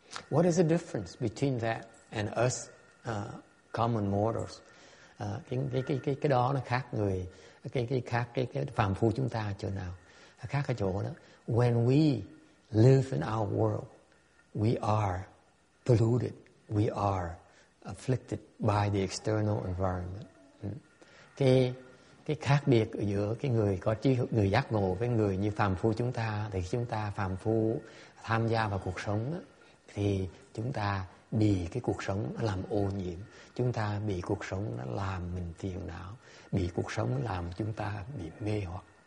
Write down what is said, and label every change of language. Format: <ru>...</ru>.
<en>What is the difference between that and us common mortals?</en> <vi>Cái đó nó khác người, cái phàm phu chúng ta chỗ nào? Khác ở chỗ đó.</vi> <en>When we live in our world, we are polluted, we are afflicted by the external environment.</en> <vi>Cái khác biệt giữa cái người có trí, người giác ngộ với người như phàm phu chúng ta, thì chúng ta phàm phu tham gia vào cuộc sống đó, thì chúng ta bị cái cuộc sống nó làm ô nhiễm, chúng ta bị cuộc sống nó làm mình phiền não, bị cuộc sống làm chúng ta bị mê hoặc.</vi>